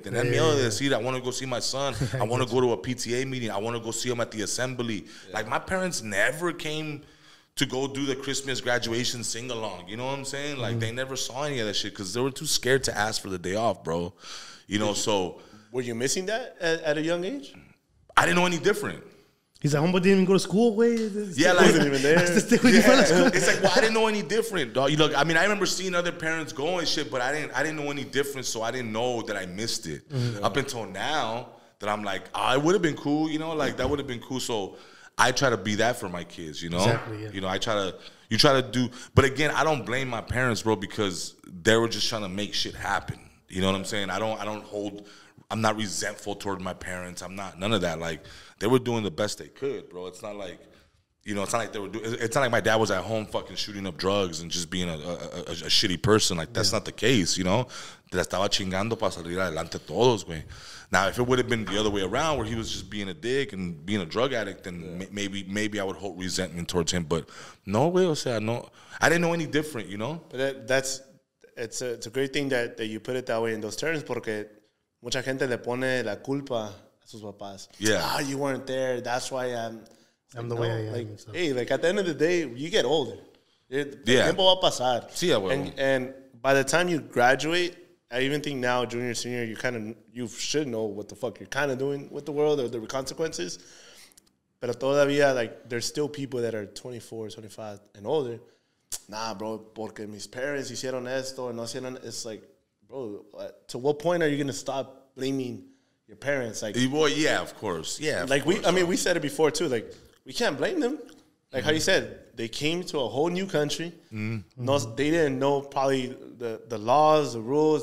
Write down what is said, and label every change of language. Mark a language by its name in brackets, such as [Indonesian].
[Spanish] Tenían miedo de decir, [English] I want to go see my son. I want to go to a PTA meeting. I want to go see him at the assembly. Yeah. Like, my parents never came to go do the Christmas graduation sing-along. You know what I'm saying? Like, they never saw any of that shit because they were too scared to ask for the day off, bro. You know, so. Were you missing that at a young age? I didn't know any different. He's like, homeboy didn't even go to school. It's like, well, I didn't know any different, dog. You look, I mean, I remember seeing other parents go and shit, but I didn't know any different, so I didn't know that I missed it. Mm-hmm. Up until now, that I'm like, oh, it would have been cool, you know, like mm-hmm. that would have been cool. So I try to be that for my kids, you know? Exactly, yeah. You know, you try to do, but again, I don't blame my parents, bro, because they were just trying to make shit happen. You know what I'm saying? I'm not resentful toward my parents. I'm not, none of that. Like, they were doing the best they could, bro. It's not like, you know, it's not like my dad was at home fucking shooting up drugs and just being a shitty person. Like, that's not the case, you know? [Spanish] Te la estaba chingando para salir adelante todos, güey. [English] Now, if it would have been the other way around where he was just being a dick and being a drug addict, then maybe I would hold resentment towards him. But no way, I didn't know any different, you know? But it's a great thing that you put it that way in those terms, [Spanish] porque mucha gente le pone la culpa a sus papás. [English] Yeah. Oh, you weren't there. That's why I'm the way I am. Like, so. Hey, like at the end of the day, you get older. [Spanish] El tiempo va a pasar. Sí, abuelo. [English] And by the time you graduate, I even think now, junior, senior, you should know what the fuck you're kind of doing with the world or the consequences. [Spanish] Pero todavía, [English] like, there's still people that are 24, 25 and older. [Spanish] Nah, bro, porque mis parents hicieron esto y no hicieron. [English] It's like, bro, to what point are you going to stop blaming your parents? Like, well, yeah, of course. Yeah. Like, I mean, we said it before too. Like, we can't blame them. Like, mm-hmm. how you said, they came to a whole new country. Mm-hmm. No, they didn't know probably the laws, the rules.